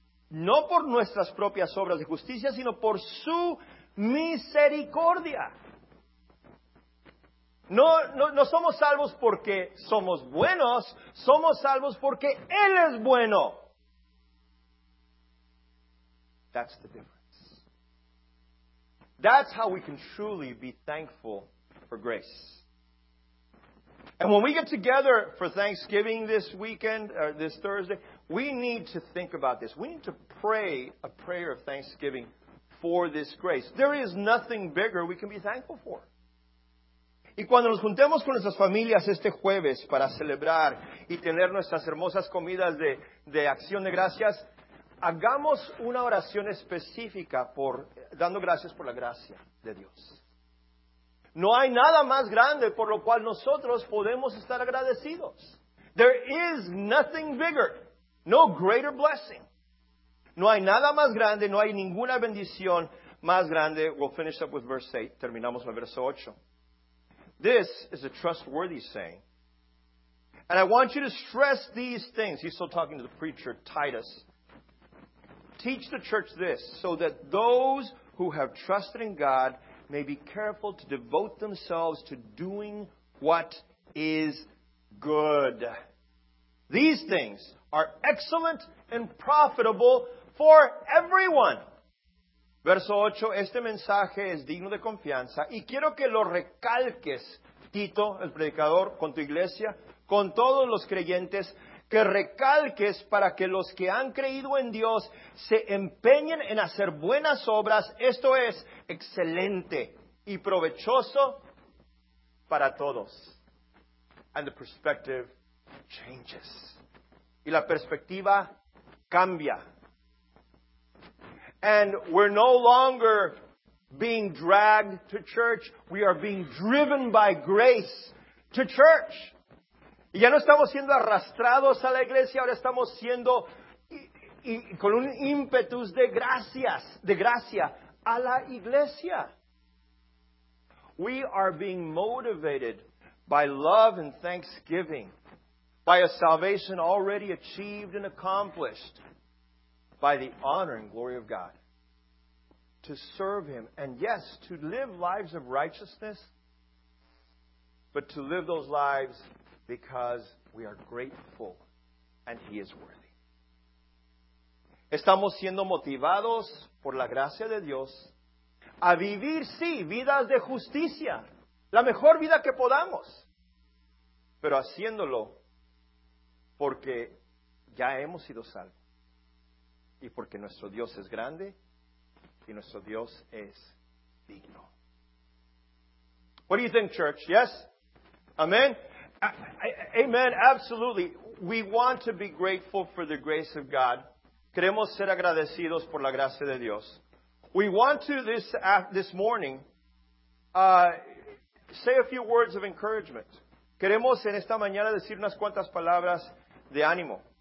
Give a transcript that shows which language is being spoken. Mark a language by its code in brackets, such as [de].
[es] No por nuestras propias obras de justicia, sino por su misericordia. No somos salvos porque somos buenos, somos salvos porque Él es bueno. [en] That's the difference. That's how we can truly be thankful for grace. And when we get together for Thanksgiving this weekend, or this Thursday, we need to think about this. We need to pray a prayer of thanksgiving for this grace. There is nothing bigger we can be thankful for. [es] Y cuando nos juntemos con nuestras familias este jueves para celebrar y tener nuestras hermosas comidas de acción de gracias, hagamos una oración específica por dando gracias por la gracia de Dios. No hay nada más grande por lo cual nosotros podemos estar agradecidos. [en] There is nothing bigger, no greater blessing. [es] No hay nada más grande, no hay ninguna bendición más grande. [en] We'll finish up with verse 8. [es] Terminamos con el verso 8. [en] This is a trustworthy saying. And I want you to stress these things. He's still talking to the preacher, Titus. Teach the church this, so that those who have trusted in God may be careful to devote themselves to doing what is good. These things are excellent and profitable for everyone. [es] Verso 8, este mensaje es digno de confianza y quiero que lo recalques, Tito, el predicador, con tu iglesia, con todos los creyentes, que recalques para que los que han creído en Dios se empeñen en hacer buenas obras, esto es excelente y provechoso para todos. [en] And the perspective changes. [es] Y la perspectiva cambia. [en] And we're no longer being dragged to church. We are being driven by grace to church. [es] Y ya no estamos siendo arrastrados a la iglesia. Ahora estamos siendo y con un ímpetu de gracia a la iglesia. [en] We are being motivated by love and thanksgiving. By a salvation already achieved and accomplished. By the honor and glory of God. To serve Him, and yes, to live lives of righteousness, but to live those lives because we are grateful and He is worthy. [es] Estamos siendo motivados por la gracia de Dios a vivir, sí, vidas de justicia, la mejor vida que podamos, pero haciéndolo porque ya hemos sido salvos y porque nuestro Dios es grande y nuestro Dios es digno. [en] What do you think, church? Yes? Amen? Amen, absolutely. We want to be grateful for the grace of God. [es] Queremos ser agradecidos por la gracia de Dios. [en] We want to, this morning, say a few words of encouragement. [es] Queremos en esta mañana decir unas cuantas palabras de ánimo.